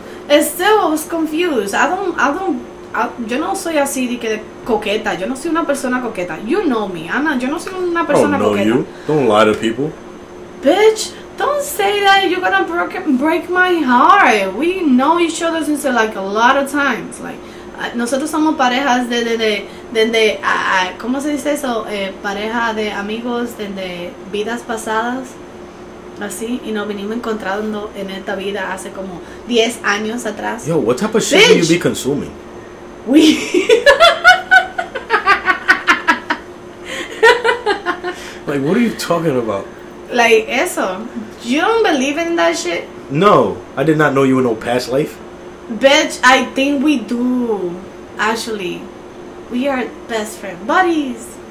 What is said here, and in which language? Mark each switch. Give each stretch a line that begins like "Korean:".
English: And still, I was confused.
Spanish: Yo no soy así de que coqueta. Yo no soy una persona coqueta.
English: You know me.
Spanish: Yo no soy una persona coqueta.
English: I don't know you. Don't lie to people. Bitch, don't say that. You're gonna break my heart. We know each other since, like, a lot of times.
Spanish: Like, nosotros somos parejas de ¿cómo se dice eso? Pareja de amigos de vidas pasadas. Así, y nos venimos encontrando en esta vida hace como 10 años atrás.
English: Yo, what type of shit will you be consuming? We like, what are you talking about? Like, eso. You don't believe in that shit? No, I did not know you in no past life. Bitch, I think we do. Actually, we are best friend buddies.